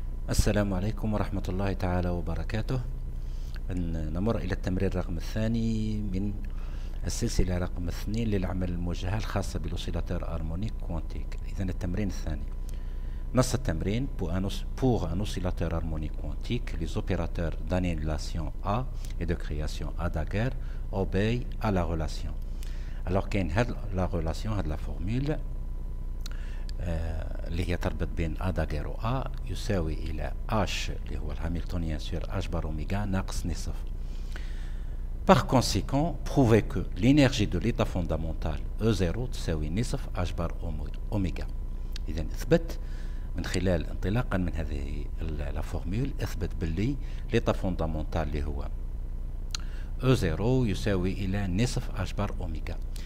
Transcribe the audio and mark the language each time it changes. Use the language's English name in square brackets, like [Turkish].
[Arabic] السلام عليكم ورحمة الله تعالى وبركاته. نمر إلى التمرين رقم الثاني من السلسلة رقم اثنين للعمل الموجهة الخاصة بالوسيلاتور هارمونيك كوانتيك. إذن التمرين الثاني، نص التمرين: [French] pour un oscillateur harmonique quantique, les opérateurs d'annihilation A et de création A Daguerre obéissent à la relation. Alors qu'il y a la relation, il y a la formule [Arabic] اللي هي تربط بين A داغير و A يساوي إلى H اللي هو الهاميلتونيان سور H بار أوميغا ناقص نصف. [French] Par conséquent, prouvez que l'énergie de l'état fondamental E0 [Arabic] تساوي نصف H بار أوميغا. إذن اثبت من خلال انطلاقا من هذه لا فورمول، اثبت باللي l'état fondamental اللي هو E0 يساوي إلى نصف H بار أوميغا.